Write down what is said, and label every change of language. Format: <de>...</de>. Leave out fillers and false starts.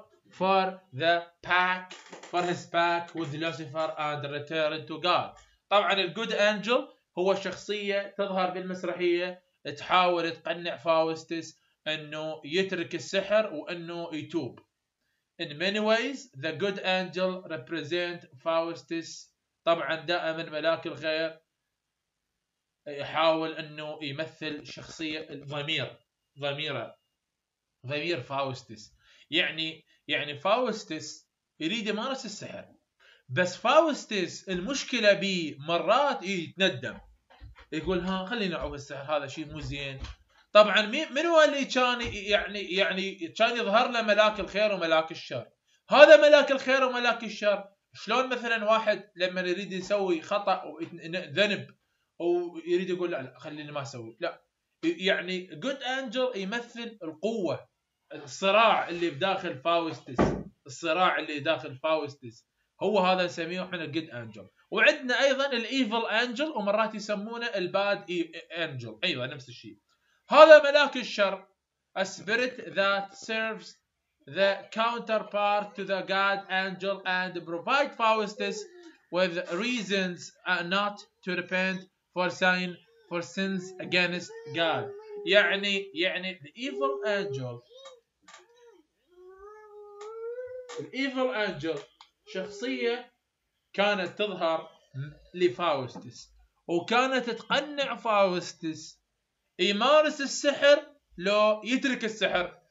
<en>For the back, for his back with Lucifer and return to God.</en> <ar>طبعا الجود انجل هو شخصية تظهر بالمسرحية تحاول تقنع فاوستس انه يترك السحر وانه يتوب.</ar> <en>In many ways the good angel represent Faustus.</en> <ar>طبعا دائما ملاك الخير يحاول انه يمثل شخصية ضمير Faustus. يعني Faustus يريد يمارس السحر، بس Faustus المشكلة بي مرات يتندم يقول ها خلينا نعوف السحر، هذا شيء مو زين. طبعا من هو اللي كان يعني كان يظهر له ملاك الخير وملاك الشر؟ هذا ملاك الخير وملاك الشر. شلون مثلا واحد لما يريد يسوي خطا وذنب ويريد يقول لا خليني ما اسوي، لا يعني جود انجل يمثل القوه، الصراع اللي بداخل فاوستس، الصراع اللي داخل فاوستس هو هذا نسميه احنا جود انجل. وعندنا ايضا الايفل انجل ومرات يسمونه الباد انجل، ايوه نفس الشيء. هذا ملاك الشر،</ar> <en>a spirit that serves the counterpart to the god angel and provide Faustus with reasons not to repent for sins against God.</en> <ar>يعني</ar> <en>the evil angel</en> <ar>شخصية كانت تظهر لفاوستس وكانت تقنع فاوستس يمارس السحر لو يترك السحر.</ar>